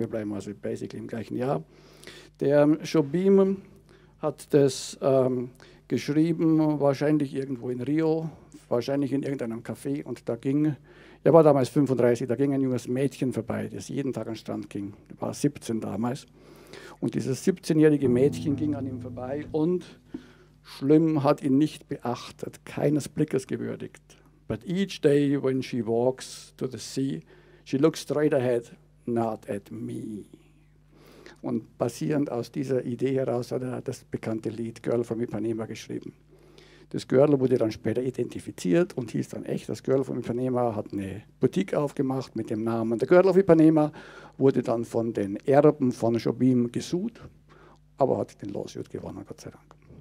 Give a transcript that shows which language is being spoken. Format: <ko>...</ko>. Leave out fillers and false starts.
<de>Wir bleiben also basically im gleichen Jahr. Der Jobim hat das geschrieben, wahrscheinlich irgendwo in Rio, wahrscheinlich in irgendeinem Café. Und da ging, er war damals 35, da ging ein junges Mädchen vorbei, das jeden Tag an den Strand ging. Er war 17 damals. Und dieses 17-jährige Mädchen ging an ihm vorbei und schlimm hat ihn nicht beachtet, keines Blickes gewürdigt.</de> <en>But each day when she walks to the sea, she looks straight ahead, not at me.</en> <de>Und basierend aus dieser Idee heraus hat er das bekannte Lied Girl from Ipanema geschrieben. Das Girl wurde dann später identifiziert und hieß dann echt, das Girl from Ipanema hat eine Boutique aufgemacht mit dem Namen. Der Girl of Ipanema wurde dann von den Erben von Jobim gesucht, aber hat den Lawsuit gewonnen, Gott sei Dank.</de>